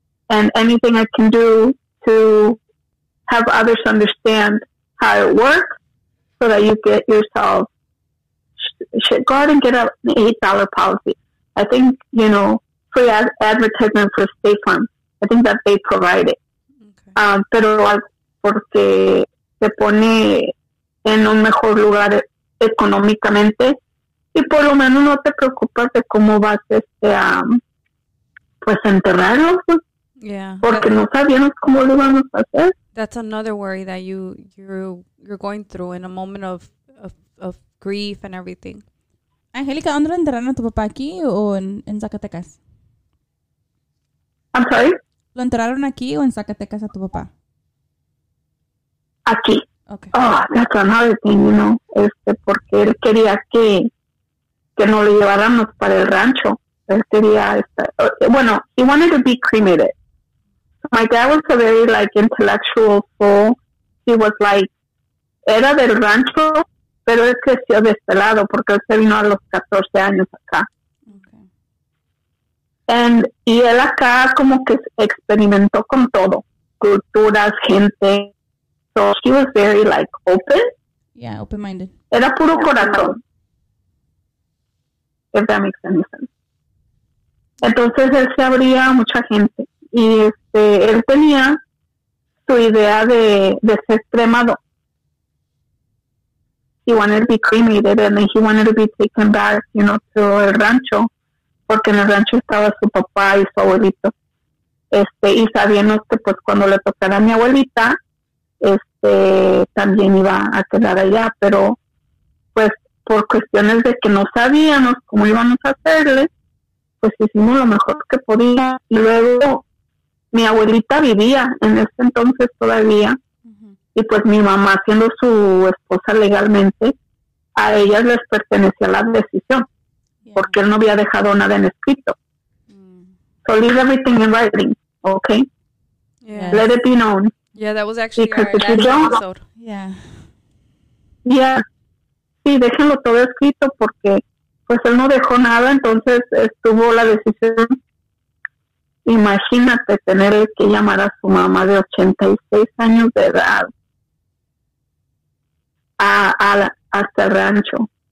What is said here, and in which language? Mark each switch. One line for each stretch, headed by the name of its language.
English: And anything I can do to have others understand how it works so that you get yourself, go ahead and get an $8 policy. I think, you know, free advertisement for State Farm. I think that they provide it. Okay.
Spanish: Pero porque te pone en un mejor lugar económicamente y por lo menos no te preocupas de cómo vas este pues enterrarlo.
English: Yeah.
Spanish: Porque no sabíamos cómo lo íbamos a hacer.
English: That's another worry that you're going through in a moment of grief and everything.
Spanish: Angélica, ¿dónde enterraron a tu papá, aquí o en Zacatecas?
English: I'm sorry?
Spanish: ¿Lo enterraron aquí o en Zacatecas a tu papá? Aquí.
English: Okay. Oh, that's another thing, you know.
Spanish: Este, porque él quería que no lo lleváramos para el rancho. Él quería bueno,
English: he wanted to be cremated. My dad was a very, like, intellectual soul. He was like,
Spanish: era del rancho, pero él creció de este lado porque él se vino a los 14 años acá. And, y él acá como que experimentó con todo, culturas, gente.
English: So he was very like open. Yeah, open-minded.
Spanish: Era puro corazón.
English: If that makes any sense.
Spanish: Entonces él se abría a mucha gente. Y este, él tenía su idea de ser cremado.
English: He wanted to be cremated and then he wanted to be taken back, you know, to el rancho.
Spanish: Porque en el rancho estaba su papá y su abuelito. Este, y sabíamos que pues cuando le tocara a mi abuelita, este, también iba a quedar allá. Pero pues por cuestiones de que no sabíamos cómo íbamos a hacerle, pues hicimos lo mejor que podía. Y luego mi abuelita vivía en ese entonces todavía. Uh-huh. Y pues mi mamá, siendo su esposa legalmente, a ellas les pertenecía la decisión. Porque él no había dejado nada en escrito.
English: Mm. So leave everything in writing, okay? Yeah. Let it be known. Yeah, that was actually because our last episode. Yeah. Yeah.
Spanish: Sí, déjenlo todo escrito porque pues él no dejó nada, entonces estuvo la decisión. Imagínate tener que llamar a su mamá de 86 años de edad hasta el rancho.